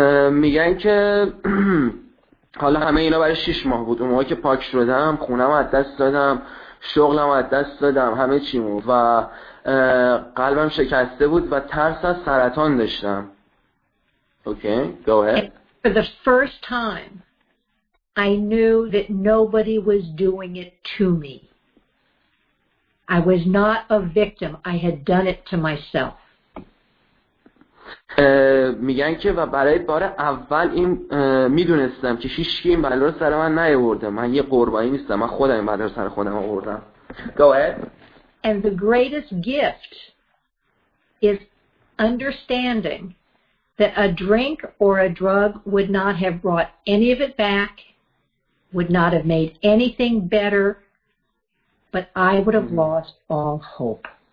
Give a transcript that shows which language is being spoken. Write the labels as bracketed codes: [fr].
[fa] میگن که حالا همه اینا برای 6 ماه بود. اون موقع که پاک شدم، خونم از دست دادم، شغلم از دست دادم، همه چیمو و قلبم شکسته بود و ترس از سرطان داشتم. [en] Okay, go ahead. And for the first time, I knew that nobody was doing it to me. I was not a victim. I had done it to myself. [fa] میگن که و برای بار اول این میدونستم که هیچکی این بلا رو سر من نیاورده. من یه قربانی نیستم. من خودم این بلا رو سر خودم آوردم. [en] Go ahead. And the greatest gift is understanding that a drink or a drug would not have brought any of it back, would not have made anything better, but I would have lost all hope.